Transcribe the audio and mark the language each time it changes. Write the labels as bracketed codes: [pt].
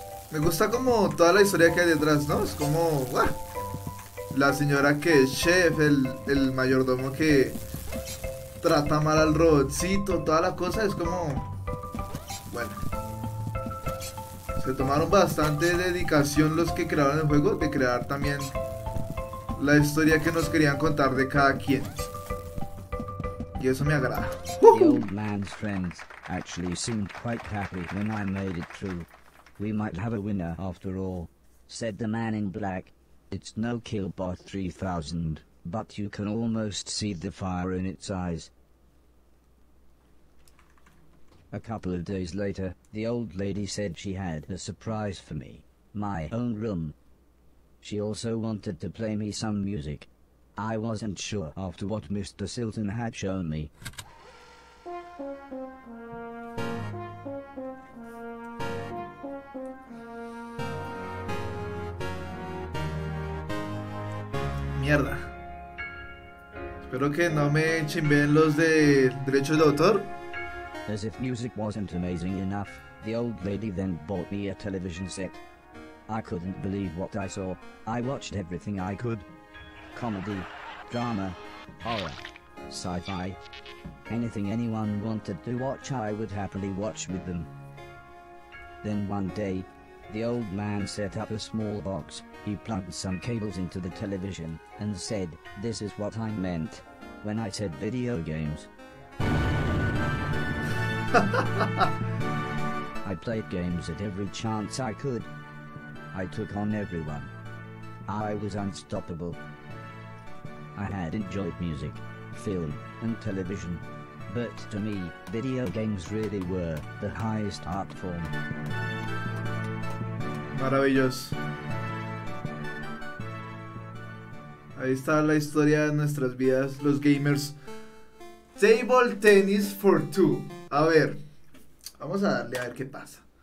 [es] Me gusta como toda la historia que hay detrás, ¿no? Es como, ¡buah! La señora que es chef, el mayordomo que trata mal al robotcito, toda la cosa, es como, bueno. Se tomaron bastante dedicación los que crearon el juego, de crear también la historia que nos querían contar de cada quien. Y eso me agrada. [en] The old man's friends actually seemed quite happy when I made it through. We might have a winner after all, said the man in black. It's no Killbot 3000, but you can almost see the fire in its eyes. A couple of days later, the old lady said she had a surprise for me, my own room. She also wanted to play me some music. I wasn't sure after what Mr. Silton had shown me. [es] Mierda. Espero que no me chimbeen los de derechos de autor. [en] As if music wasn't amazing enough, the old lady then bought me a television set. I couldn't believe what I saw. I watched everything I could. Comedy, drama, horror, sci-fi. Anything anyone wanted to watch, I would happily watch with them. Then one day, the old man set up a small box. He plugged some cables into the television and said, "This is what I meant when I said video games." I played games at every chance I could. I took on everyone. I was unstoppable. I had enjoyed music, film, and television. But to me, video games really were the highest art form. [es] Maravilloso. Ahí está la historia de nuestras vidas, los gamers. [en] Table tennis for two. [es] A ver, vamos a darle a ver qué pasa.